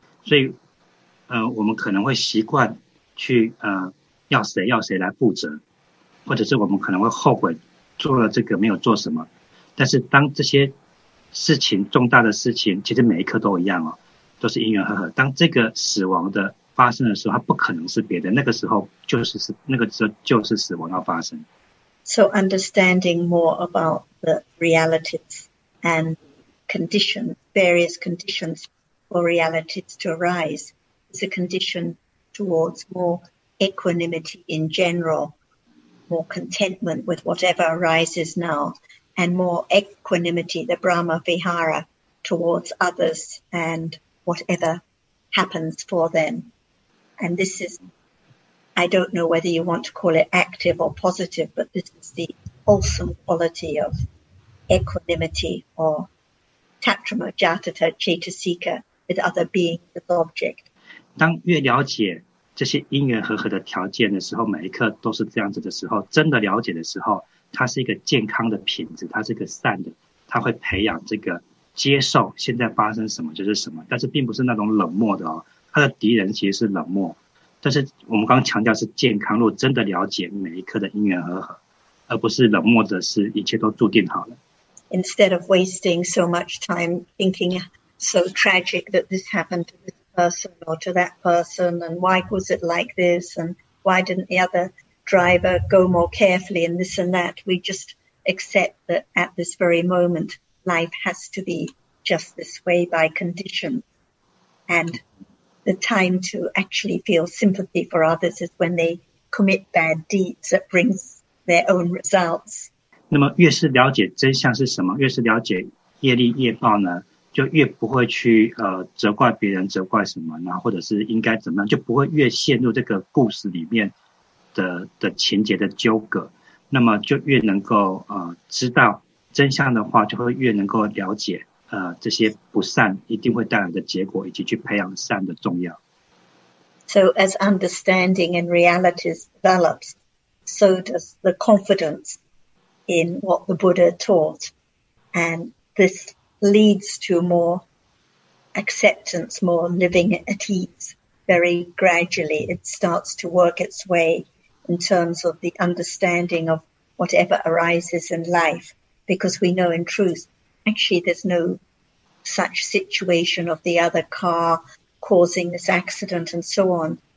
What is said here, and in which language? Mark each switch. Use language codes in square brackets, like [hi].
[zh] 所以，我们可能会习惯去要谁要谁来负责，或者是我们可能会后悔做了这个没有做什么。但是当这些事情重大的事情，其实每一刻都一样哦，都是因缘和合。当这个死亡的发生的时候，它不可能是别的，那个时候就是那个时候就是死亡要发生。 [en] So understanding more about the realities and conditions, various conditions for realities to arise is a condition towards more equanimity in general, more contentment with whatever arises now, and more equanimity, the Brahma Vihara, towards others and whatever happens for them. And this isI don't know whether you want to call it active or positive, but this is the wholesome quality of equanimity or tatrama jatata chetasika with other beings as object. [zh] 当越了解这些因缘和合的条件的时候，每一刻都是这样子的时候，真的了解的时候，它是一个健康的品质，它是一个善的，它会培养这个接受现在发生什么就是什么，但是并不是那种冷漠的哦，它的敌人其实是冷漠。但是我们刚强调是健康，如果真的了解每一刻的因缘和合，而不是冷漠的是一切都注定好了。 [en] Instead of wasting so much time thinking so tragic that this happened to this person or to that person, and why was it like this, and why didn't the other driver go more carefully, and this and that, we just accept that at this very moment, life has to be just this way by condition. And... The time to actually feel sympathy for others is when they commit bad deeds that brings their own results. [zh] 那么越是了解真相是什么，越是了解业力业报呢，就越不会去责怪别人，责怪什么，然后或者是应该怎么样，就不会越陷入这个故事里面的情节的纠葛。那么就越能够知道真相的话，就会越能够了解。这些不善一定会带来的结果，以及去培养善的重要。 [en] So as understanding and realities develops, so does the confidence in what the Buddha taught. And this leads to more acceptance, more living at ease. Very gradually, it starts to work its way in terms of the understanding of whatever arises in life, because we know in truth,Actually, there's no such situation of the other car causing this accident and so on.